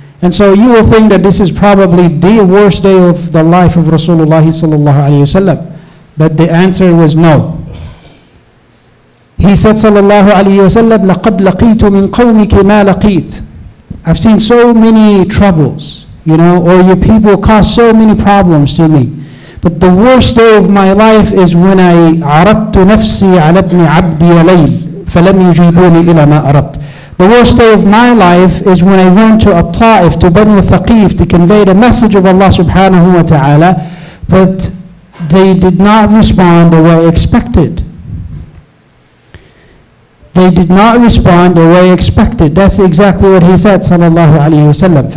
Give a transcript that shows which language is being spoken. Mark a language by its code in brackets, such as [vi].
[en] And so you will think that this is probably the worst day of the life of Rasulullah sallallahu alayhi wa sallam. But the answer was no. He said sallallahu alayhi wa sallam, [ar] لَقَدْ لَقِيتُ مِنْ قَوْمِكِ مَا لَقِيتُ. [en] I've seen so many troubles, you know, or your people cause so many problems to me. But the worst day of my life is when I [ar] عَرَضْتُ نَفْسِي عَلَى ابْنِ عَبْدِي وَلَيْلِ فَلَمْ يُجِيبُونِ إِلَى مَا أَرَدْتُ. [en] The worst day of my life is when I went to At-Ta'if, to Banu Thaqif, to convey the message of Allah subhanahu wa ta'ala, but they did not respond the way I expected. They did not respond the way I expected. That's exactly what he said, sallallahu alayhi wa sallam.